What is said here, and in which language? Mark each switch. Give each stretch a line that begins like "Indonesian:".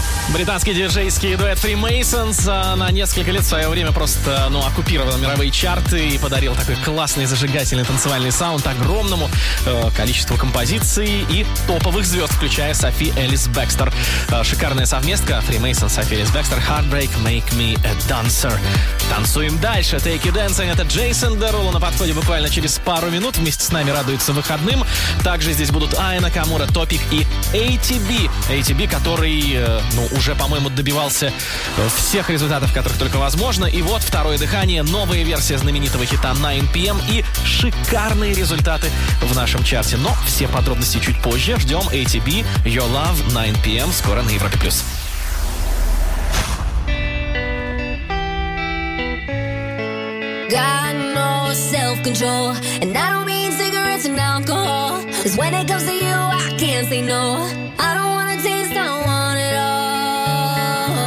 Russian: британский диджейский дуэт Freemasons на несколько лет в свое время просто, ну, оккупировал мировые чарты и подарил такой классный зажигательный танцевальный саунд огромному количеству композиций и топовых звезд, включая Софи Элис Бэкстер. Шикарная совместка Freemasons, Софи Элис Бэкстер, Heartbreak, Make Me a Dancer. Танцуем дальше. Take You Dancing, это Джейсон Деруло на подходе буквально через пару минут. Вместе с нами радуется выходным. Также здесь будут Айна Камура, Топик и ATB. ATB, который, ну, уже, по-моему, добивался всех результатов, которых только возможно. И вот второе дыхание, новая версия знаменитого хита 9PM и шикарные результаты в нашем чарте. Но все подробности чуть позже. Ждем ATB, Your Love, 9PM, скоро на Европе+. Плюс.
English: Got no self-control, and I don't mean cigarettes and alcohol. 'Cause when it comes to you, I can't say no. I don't wanna taste, I don't want it all.